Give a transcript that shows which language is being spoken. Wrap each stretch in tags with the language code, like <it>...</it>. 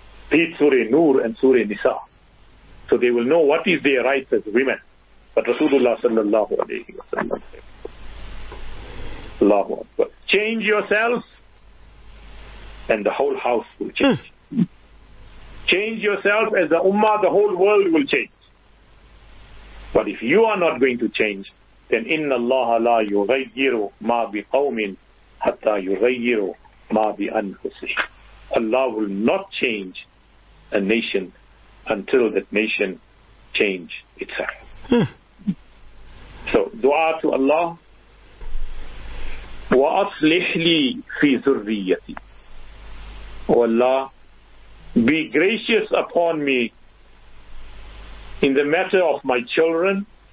<en>Read Surah Nur and Surah Nisa. So they will know what is their rights as women. But Rasulullah sallallahu alayhi wa sallam. Allahu Akbar. Change yourself and the whole house will change. Change yourself as the ummah, the whole world will change. But if you are not going to change, then</en> <ar>إِنَّ اللَّهَ لَا يُغَيِّرُ مَا بِقَوْمٍ حَتَّى يُغَيِّرُ مَا بِأَنْفُسِهِ.</ar> <en>Allah will not change a nation until that nation change itself. So, dua to Allah.</en> <ar>وَأَصْلِحْ لِي فِي ذُرِّيَّتِي.</ar> <en>Oh Allah, be gracious upon me in the matter of my children.</en>